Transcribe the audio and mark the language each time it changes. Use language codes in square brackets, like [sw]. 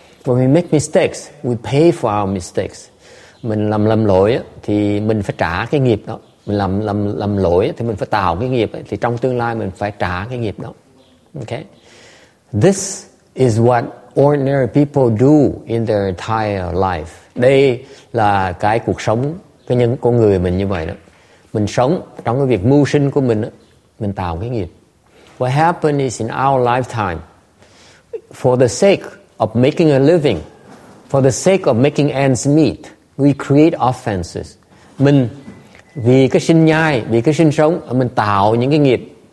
[en] When we make mistakes, we pay for our mistakes. [vi] Mình làm lầm lỗi á, thì mình phải trả cái nghiệp đó. Mình làm lỗi thì mình phải tạo cái nghiệp ấy. Thì trong tương lai mình phải trả cái nghiệp đó. [en] Okay. This is what ordinary people do in their entire life. [vi] Đây là cái cuộc sống cái nhân con người mình như vậy đó. Mình sống trong cái việc mưu sinh của mình đó, mình tạo cái nghiệp. [en] What happens is in our lifetime, for the sake of making a living, for the sake of making ends meet, we create offenses. [vi] Mình vì cái sinh nhai, vì cái sinh sống, mình tạo những cái nghiệp.